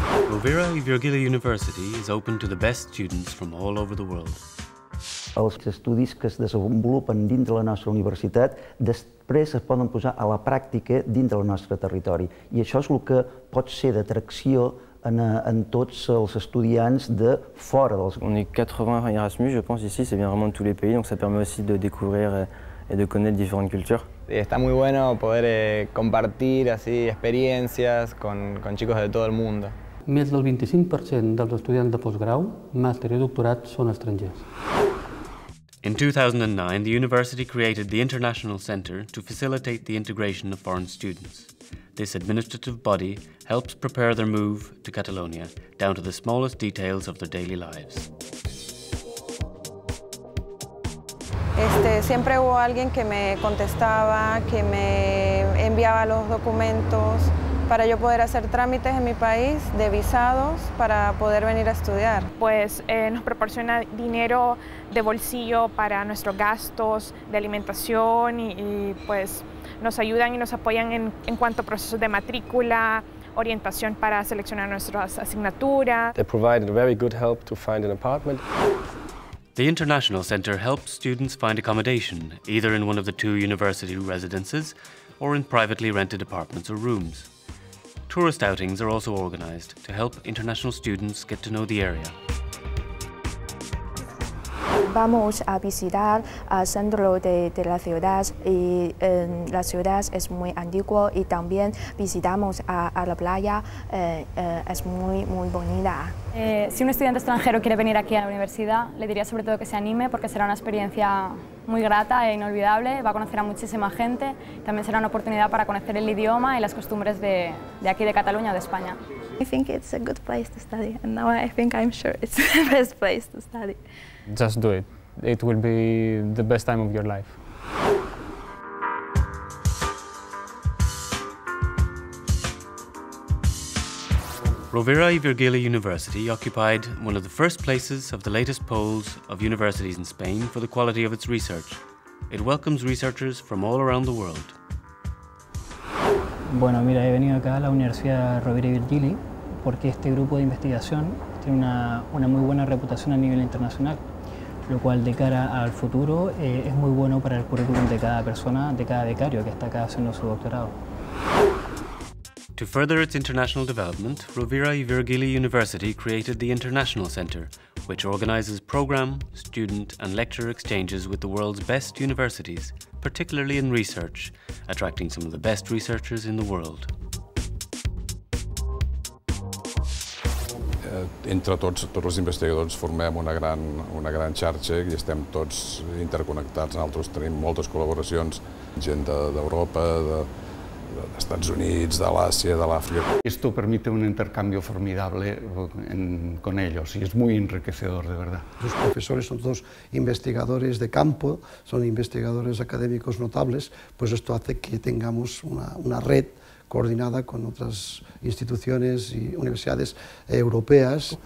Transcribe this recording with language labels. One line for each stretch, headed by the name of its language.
English: Rovira y Virgili University is open to the best students from all over the world.
Catalan: Els estudis que es desenvolupen dintre la nostra universitat després es poden posar a la pràctica dintre el nostre territori. I això és el que pot ser d'atracció en tots els estudiants de fora dels.
French: On est 80 Erasmus, je pense ici, c'est bien vraiment de tous les pays, donc ça permet aussi de découvrir et de connaître différentes cultures.
Spanish: Está muy bueno poder compartir así experiencias con chicos de todo el mundo.
Catalan: Més del 25% dels estudiants de postgrau, màster i doctorat són estrangers.
English: In 2009, the university created the International Center to facilitate the integration of foreign students. This administrative body helps prepare their move to Catalonia, down to the smallest details of their daily lives.
Spanish: Siempre hubo alguien que me contestaba, que me enviaba los documentos para yo poder hacer trámites en mi país de visados para poder venir a estudiar. Pues nos proporciona dinero de bolsillo para nuestros gastos de alimentación y pues nos ayudan y nos apoyan en cuanto a procesos de matrícula, orientación para seleccionar nuestras asignaturas.
English: They provided very good help to find an apartment. The International Center helps students find accommodation either in one of the two university residences or in privately rented apartments or rooms. Tourist outings are also organized to help international students get to know the area.
Spanish: Vamos a visitar el centro de la ciudad y la ciudad es muy antigua y también visitamos a la playa, es muy, muy bonita. Si un estudiante extranjero quiere venir aquí a la universidad, le diría sobre todo que se anime porque será una experiencia muy grata e inolvidable, va a conocer a muchísima gente, también será una oportunidad para conocer el idioma y las costumbres de aquí de Cataluña o de España.
English: I think it's a good place to study, and now I think I'm sure it's the best place to study. Just do it. It will be the best time of your life. Rovira y Virgili University occupied one of the first places of the latest polls of universities in Spain for the quality of its research. It welcomes researchers from all around the world.
Spanish: Bueno, mira, he venido acá a la Universidad Rovira y Virgili porque este grupo de investigación tiene una muy buena reputación a nivel internacional, lo cual de cara al futuro es muy bueno para el currículum de cada persona, de cada becario que está acá haciendo su doctorado.
English: To further its international development, Rovira y Virgili University created the International Center, which organizes program, student and lecture exchanges with the world's best universities, particularly in research, attracting some of the best researchers in the world.
Catalan: Entre tots els investigadors formem una gran xarxa i estem tots interconnectats. Nosaltres tenim moltes col·laboracions, gent d'Europa, dels Estats Units, de l'Àsia, de l'Àfrica.
Spanish: Esto permite un intercambio formidable con ellos y es muy enriquecedor, de verdad. Los profesores son todos investigadores de campo, son investigadores académicos notables, pues esto hace que tengamos una red coordinada con otras instituciones y universidades europeas.